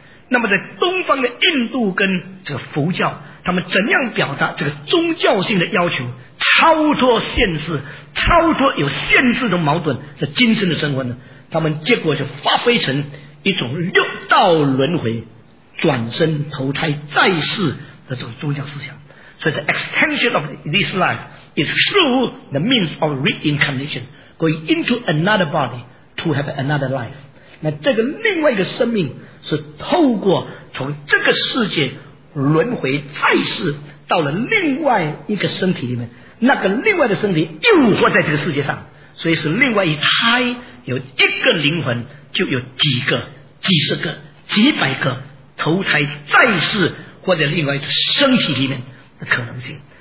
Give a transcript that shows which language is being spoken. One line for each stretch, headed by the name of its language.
Chinese: 那么在东方的印度跟这个佛教，他们怎样表达这个宗教性的要求，超脱现实，超脱有限制的矛盾的精神的生活呢？他们结果就发挥成一种六道轮回转身投胎再世的这种宗教思想。
English: 所以 the extension of this life is through the means of reincarnation, going into another body to have another life。
Chinese: 那这个另外一个生命是透过从这个世界轮回再世到了另外一个身体里面，那个另外的身体又活在这个世界上，所以是另外一胎，有一个灵魂就有几个、几十个、几百个投胎再世或者另外一个身体里面的可能性。